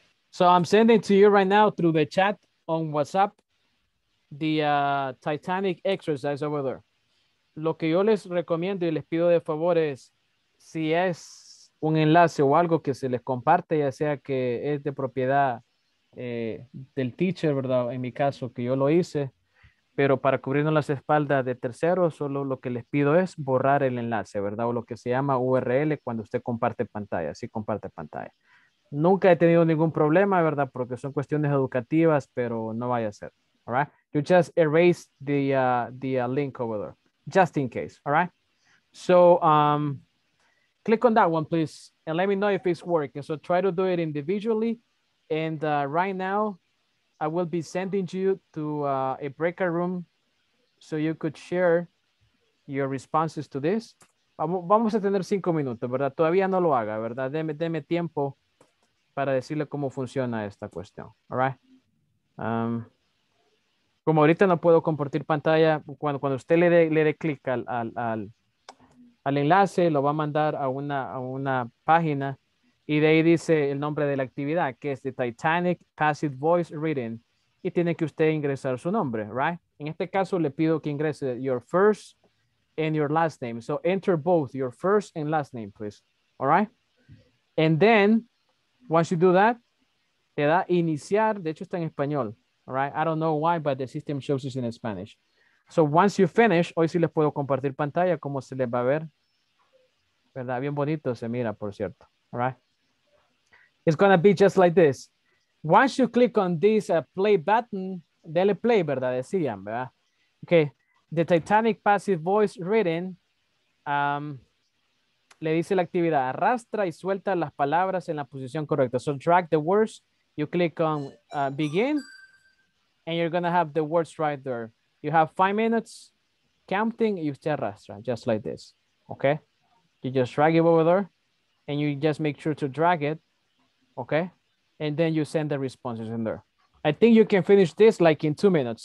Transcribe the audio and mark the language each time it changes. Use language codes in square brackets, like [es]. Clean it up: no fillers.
[en] So I'm sending to you right now through the chat on WhatsApp the Titanic exercise over there. [es] Lo que yo les recomiendo y les pido de favor es, si es un enlace o algo que se les comparte, ya sea que es de propiedad del teacher, ¿verdad? En mi caso, que yo lo hice, pero para cubrirnos las espaldas de terceros, solo lo que les pido es borrar el enlace, ¿verdad? O lo que se llama URL cuando usted comparte pantalla, si comparte pantalla. Nunca he tenido ningún problema, ¿verdad? Porque son cuestiones educativas, pero no vaya a ser. [en] All right? You just erase the link over there, just in case, all right? So, click on that one, please, and let me know if it's working. So try to do it individually. And right now, I will be sending you to a breakout room so you could share your responses to this. [es] Vamos a tener 5 minutos, ¿verdad? Todavía no lo haga, ¿verdad? Deme tiempo para decirle cómo funciona esta cuestión, all right? Como ahorita no puedo compartir pantalla, cuando usted le dé clic al enlace, lo va a mandar a una página y de ahí dice el nombre de la actividad, que es de Titanic Passive Voice Reading, y tiene que usted ingresar su nombre, right? En este caso le pido que ingrese [en] your first and your last name. So enter both your first and last name, please, all right? And then, once you do that, [es] te da iniciar, de hecho está en español, all right? [en] I don't know why, but the system shows it in Spanish. So once you finish, [es] hoy sí les puedo compartir pantalla, cómo se les va a ver. ¿Verdad? Bien bonito se mira, por cierto. [en] All right. It's going to be just like this. Once you click on this play button, [es] dele play, ¿verdad? Decían, ¿verdad? [en] Okay. [es] The Titanic Passive Voice Reading le dice la actividad. Arrastra y suelta las palabras en la posición correcta. [en] So drag the words. You click on begin. And you're going to have the words right there. You have 5 minutes counting, [es] y usted arrastra, [en] just like this, okay? You just drag it over there, and you just make sure to drag it, okay? And then you send the responses in there. I think you can finish this like in 2 minutes.